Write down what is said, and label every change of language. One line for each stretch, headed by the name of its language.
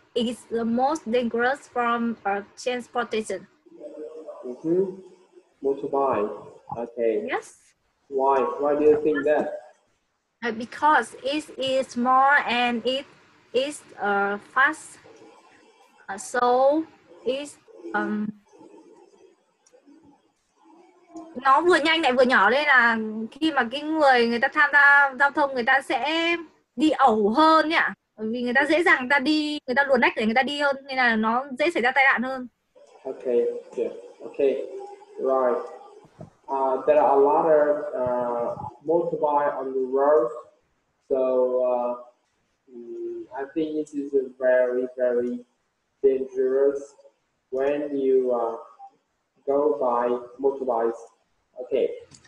English: It is the most dangerous form of transportation. Motorbike. Okay. Yes. Why do you think that? Because it is small and it is fast. So it
Vietnamese: nó vừa nhanh lại vừa nhỏ nên là khi mà cái người ta tham gia giao thông người ta sẽ đi ẩu hơn nhỉ? Vì người ta dễ dàng người ta luồn lách để người ta đi hơn nên là nó dễ xảy ra tai nạn hơn.
English: Okay, yeah. Okay, right. There are a lot of motorbike on the road, so I think it is a very, very dangerous when you go by motorbikes. Okay.